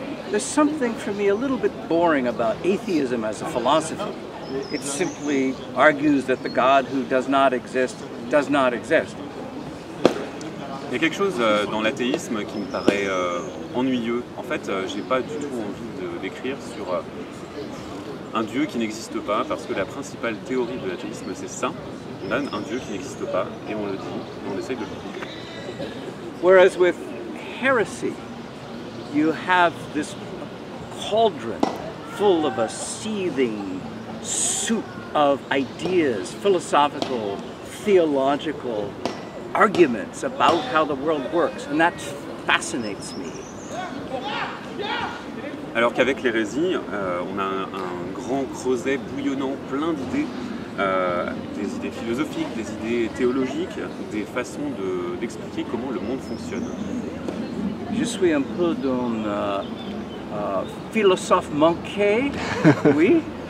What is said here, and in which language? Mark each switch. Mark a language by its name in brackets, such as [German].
[English] There's something for me a little bit boring about atheism as a philosophy. It simply argues that the God who does not exist does not exist. [French] Il y a quelque chose dans l'athéisme qui me paraît ennuyeux. En fait, j'ai pas du tout envie d'écrire sur un Dieu qui n'existe pas, parce que la principale théorie de l'athéisme, c'est ça. On a un Dieu qui n'existe pas, et on le dit, et on essaye de le dire. [English] Whereas with heresy, you have this cauldron full of a seething soup of ideas, philosophical, theological, arguments about how the world works, and that fascinates me. [French] Alors qu'avec l'hérésie, on a un grand creuset bouillonnant, plein d'idées, des idées philosophiques, des idées théologiques, des façons d'expliquer comment le monde fonctionne. Je suis un peu d'un philosophe manqué, oui.